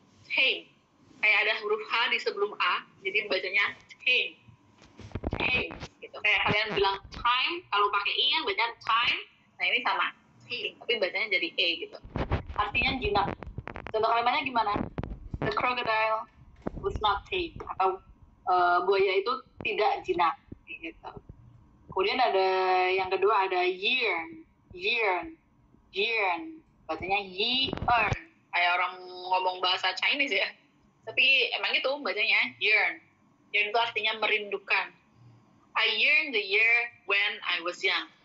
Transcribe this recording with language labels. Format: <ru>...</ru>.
<id>Chain. Kayak ada huruf H di sebelum A, jadi bacanya chain. Chain. Kayak kalian bilang time, kalau pakai i yang baca time, nah ini sama chain, tapi bacanya jadi e gitu. Artinya jinak. Contoh kalimatnya gimana?</id> <en>The crocodile was not tame.</en> <id>Atau buaya itu tidak jinak. Gitu. Kemudian ada yang kedua, ada yearn. Yearn. Yearn. Bacanya yearn. Kayak orang ngomong bahasa Chinese ya. Tapi emang itu bacanya yearn. Yearn itu artinya merindukan.</id> <en>I yearn the year when I was young.</en>